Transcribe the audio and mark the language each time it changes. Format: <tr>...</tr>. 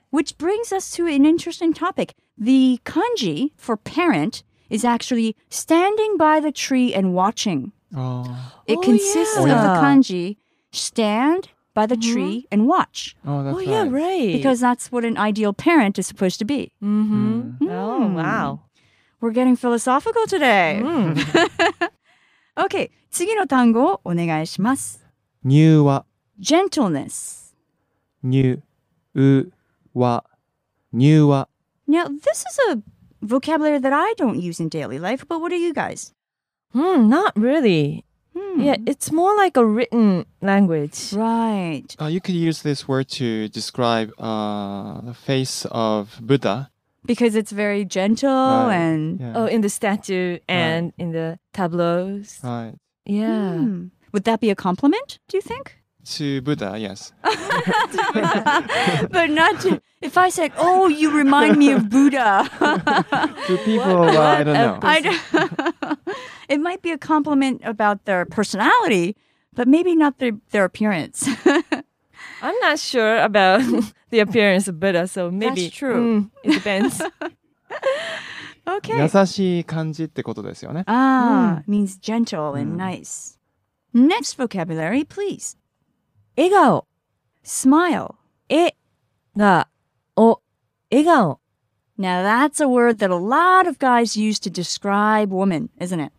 <en>Which brings us to an interesting topic. The kanji for parent is actually standing by the tree and watching. It consists of the kanji, stand by the tree and watch. Oh, that's right. Because that's what an ideal parent is supposed to be. Oh, wow. We're getting philosophical today. Okay,</en> <ja>次の単語をお願いします。入話。</ja> <en>Gentleness.</en> <ja>入話。入話。</ja> <en>Now, this is a vocabulary that I don't use in daily life, but what are you guys? Not really. Yeah, it's more like a written language. Right. You could use this word to describe the face of Buddha. Because it's very gentle and... Yeah. Oh, in the statue and in the tableaus. Right. Yeah. Hmm. Would that be a compliment, do you think? To Buddha, yes. But not to... If I said, oh, you remind me of Buddha. To people, I don't know. I don't... It might be a compliment about their personality, but maybe not their appearance. I'm not sure about the appearance of Buddha, so maybe... That's true. It depends. Okay.</en> <ja>優しい感じってことですよね。</ja> <en>Means gentle and nice. Next vocabulary, please.</en> <ja>笑顔.</ja> <en>Smile.</en> <ja>笑顔.</ja> <en>Now that's a word that a lot of guys use to describe women, isn't it?</en>